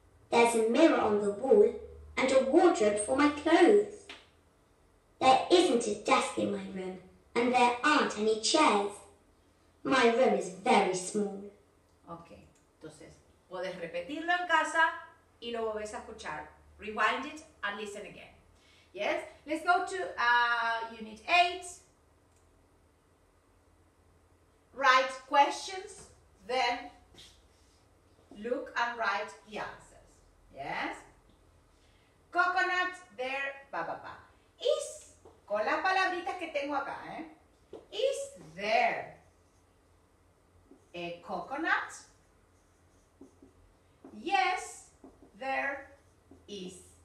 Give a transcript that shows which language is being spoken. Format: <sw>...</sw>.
<en>There's a mirror on the wall and a wardrobe for my clothes. There isn't a desk in my room and there aren't any chairs. My room is very small.</en> <es>Ok, entonces, puedes repetirlo en casa y lo volvés a escuchar.</es> <en>Rewind it and listen again. Yes, let's go to unit 8. Write questions, then look and write the answers. Yes? Coconut, there, pa, pa, pa.</en> <es>Is, con las palabritas que tengo acá, ¿eh?</es> <en>Is there a coconut? Yes, there is.</en>